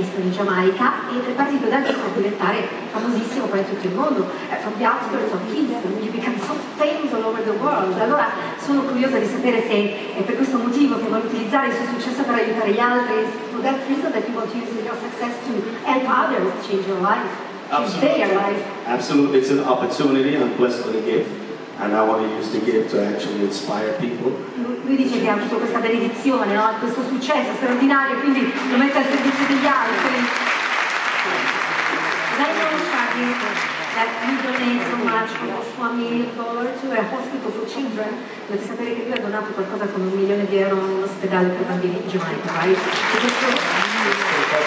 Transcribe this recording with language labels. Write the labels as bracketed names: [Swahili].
[Italian] Giamaica ed è partito da lì per diventare famosissimo per tutto il mondo, [English] from the outskirts of Kingston, you become so famous all over the world. [Italian] Allora sono curiosa di sapere se è per questo motivo che vuole utilizzare il suo successo per aiutare gli altri. [English] For that reason that you want to use your success to help others change your life, absolutely. Change their life. Absolutely, it's an opportunity, I'm blessed with a gift, and I want to use the gift to actually inspire people. [Italian] Lui dice che ha avuto questa benedizione, no? Questo successo straordinario, quindi lo mette al servizio degli altri. [English] Yeah. I know, Shaggy, that you donate so much from a family or to a hospital for children. [Italian] Dovete sapere che lui ha donato qualcosa come €1 million a un ospedale per bambini in Giamaica, right?